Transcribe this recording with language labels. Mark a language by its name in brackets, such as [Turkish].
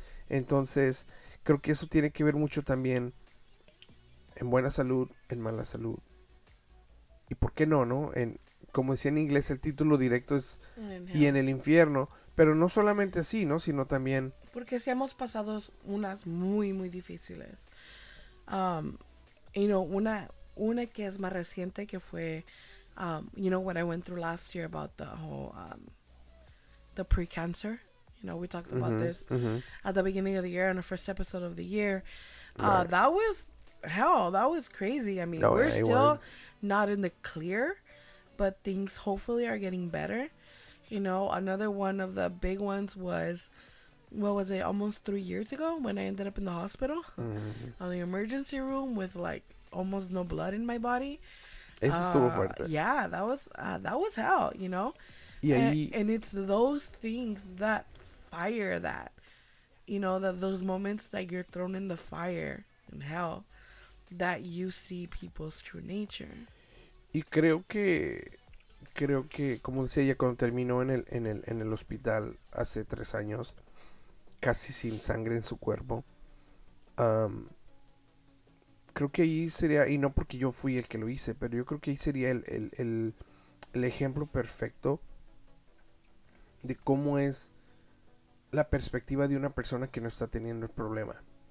[Spanish] Entonces, creo que eso tiene que ver mucho también en buena salud, en mala salud. ¿Y por qué no, no? Como decía en inglés, el título directo es... Y en el infierno. Pero no solamente así, ¿no? Sino también... Porque si hemos pasado unas muy, muy difíciles. [English] You know, [Spanish] una que es más reciente que fue, [English] you know, what I went through last year about the whole, the pre-cancer, you know, we talked about this at the beginning of the year, on the first episode of the year, that was, hell, that was crazy. I mean, we're still not in the clear, but things hopefully are getting better. You know, another one of the big ones was, what was it, almost 3 years ago when I ended up in the hospital on the emergency room with, like, almost no blood in my body. [Spanish] Eso estuvo fuerte. [English] Yeah, that was hell, you know? Yeah, and it's those things that fire that, you know, that those moments that you're thrown in the fire in hell that you see people's true nature. [Spanish] Y creo que creo que, como decía ella, cuando terminó en el hospital hace 3 años, casi sin sangre en su cuerpo, creo que ahí sería, y no porque yo fui el que lo hice, pero yo creo que ahí sería el ejemplo perfecto de cómo es la perspectiva de una persona que no está teniendo el problema.